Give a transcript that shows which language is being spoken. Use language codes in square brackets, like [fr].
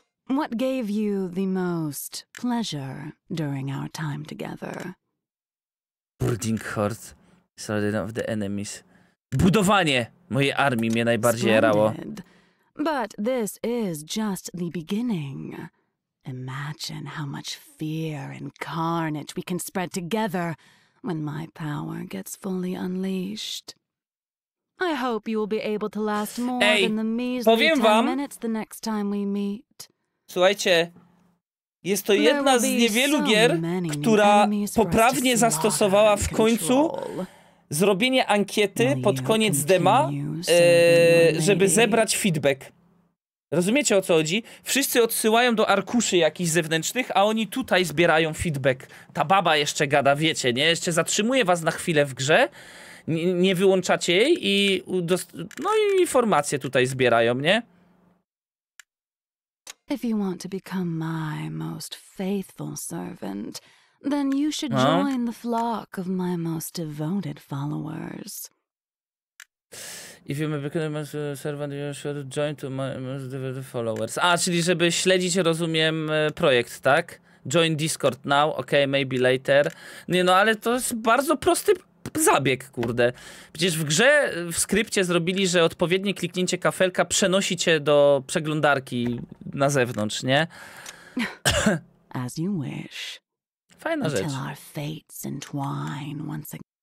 [en] What gave you the most pleasure during our time together? Brooding Horde, Sardine of the Enemies. [pl] Budowanie mojej armii mnie najbardziej jarało. [en] But this is just the beginning. Imagine how much fear and carnage we can spread together when my power gets fully unleashed. I hope you will be able to last more than the measly 10 minutes the next time we meet. [pl] Słuchajcie, jest to jedna z niewielu gier, która poprawnie zastosowała w końcu zrobienie ankiety pod koniec dema, żeby zebrać feedback. Rozumiecie, o co chodzi? Wszyscy odsyłają do arkuszy jakichś zewnętrznych, a oni tutaj zbierają feedback. Ta baba jeszcze gada, wiecie, nie? Jeszcze zatrzymuje was na chwilę w grze, nie wyłączacie jej i no i informacje tutaj zbierają, nie? [en] If you want to become my most faithful servant, then you should join the flock of my most devoted followers. If you become my servant, you should join to my most devoted followers. [pl] A, czyli żeby śledzić, rozumiem, projekt, tak? [en] Join Discord now, okay, maybe later. [pl] Nie, no ale to jest bardzo prosty zabieg, kurde. Przecież w grze, w skrypcie zrobili, że odpowiednie kliknięcie kafelka przenosi cię do przeglądarki na zewnątrz, nie? [en] As you wish. [pl] Fajna rzecz. [en] Until our fates entwine once again.